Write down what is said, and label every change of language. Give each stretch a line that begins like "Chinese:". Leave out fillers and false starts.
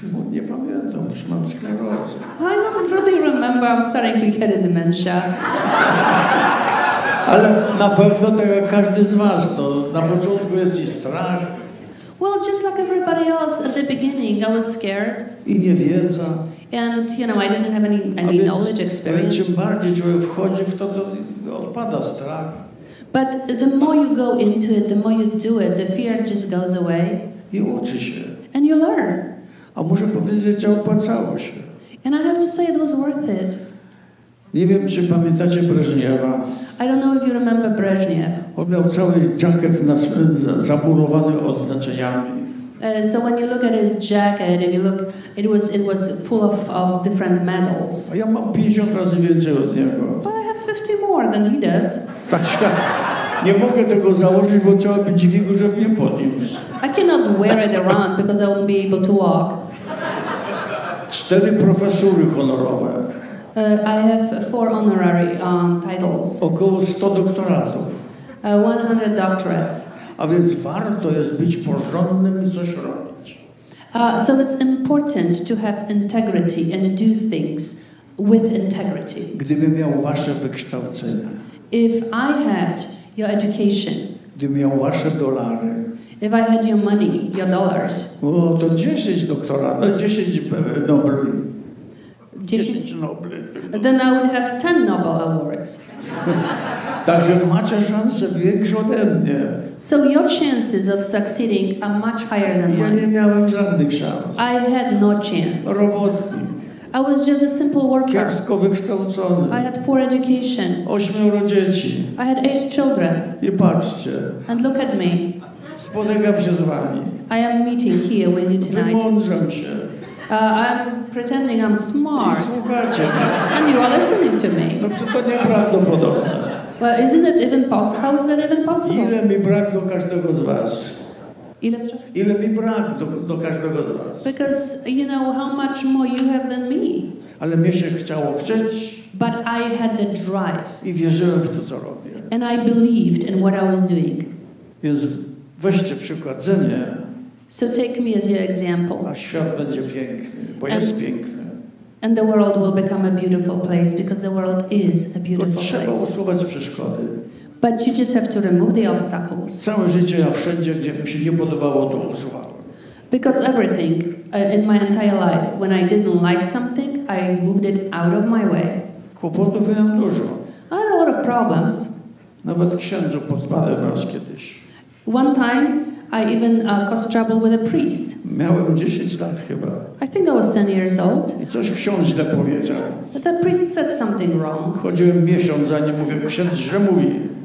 Polish: Nie pamiętam, już mam sklerozę.
English: I don't really remember, I'm starting to get a dementia.
Polish: Ale na pewno tak jak każdy z was, to na początku jest i strach.
English: Well, just like everybody else, at the beginning, I was scared.
Polish: I niewiedza.
English: And, you know, I didn't have any knowledge, experience.
Polish: Czym bardziej człowiek wchodzi w to, to odpada strach.
English: But the more you go into it, the more you do it, the fear just goes away.
Polish: I uczy się.
English: And you learn.
Polish: A muszę powiedzieć, że opłacało się.
English: And I have to say it was worth it.
Polish: Nie wiem, czy pamiętacie Breżniewa.
English: I don't know if you remember Breżniew.
Polish: On miał cały jacket zamurowany odznaczeniami.
English: So when you look at his jacket, if you look, it was full of different medals.
Polish: A ja mam 50 razy więcej od niego.
English: But I have 50 more than he does.
Polish: Tak. Nie mogę tego założyć, bo trzeba by dźwigu, żeby mnie podniósł.
English: I cannot wear it around because I won't be able to walk.
Polish: 4 profesury honorowe.
English: I have 4 honorary titles.
Polish: Około 100 doktoratów.
English: 100 doctorates.
Polish: A więc warto jest być porządnym i coś robić.
English: So it's important to have integrity and do things with integrity.
Polish: Gdybym miał wasze wykształcenie.
English: If I had your education.
Polish: Gdybym miał wasze dolary.
English: If I had your money, your dollars.
Polish: O, to 10 doktoratów, 10 Nobli. 10 Nobli.
English: Then I would have 10 Nobel awards.
Polish: Także macie szanse większe ode mnie.
English: So your chances of succeeding are much higher than mine.
Polish: Ja nie miałem żadnych szans.
English: I had no chance.
Polish: Robotnik.
English: I was just a simple worker.
Polish: Kiepsko wykształcony.
English: I had poor education.
Polish: 8 dzieci.
English: I had 8 children.
Polish: I patrzcie.
English: And look at me.
Polish: Spotykam się z wami.
English: I am meeting here with you tonight.
Polish: Wymądrzam się.
English: I'm pretending I'm smart.
Polish: I słuchacie mnie.
English: And you are listening to me.
Polish: No przecież to nieprawdopodobne.
English: Well, isn't it even possible? How is that even possible?
Polish: Ile mi brak do każdego z was? Ile mi brak do każdego z was?
English: Because you know how much more you have than me.
Polish: Ale mnie się chciało chcieć.
English: But I had the drive.
Polish: I wierzyłem w to, co robię.
English: And I believed in what I was doing.
Polish: Więc weźcie przykład ze mnie.
English: So take me as your example.
Polish: A świat będzie piękny, bo and, jest piękny.
English: And the world will become a beautiful place because the world is a beautiful
Polish: trzeba
English: place.
Polish: Trzeba usuwać przeszkody.
English: But you just have to remove the obstacles.
Polish: Całe życie ja wszędzie, gdzie mi się nie podobało, to usuwałem.
English: Because everything in my entire life, when I didn't like something, I moved it out of my way.
Polish: Kłopotów miałem dużo.
English: I had a lot of problems.
Polish: Nawet księdzu podpadłem raz kiedyś.
English: One time I even caused trouble with a priest.
Polish: Miałem 10 lat chyba.
English: I think I was 10 years old.
Polish: I coś ksiądz źle powiedział.
English: But the priest said something wrong.
Polish: Chodziłem miesiąc za nim, mówię, ksiądz źle mówi.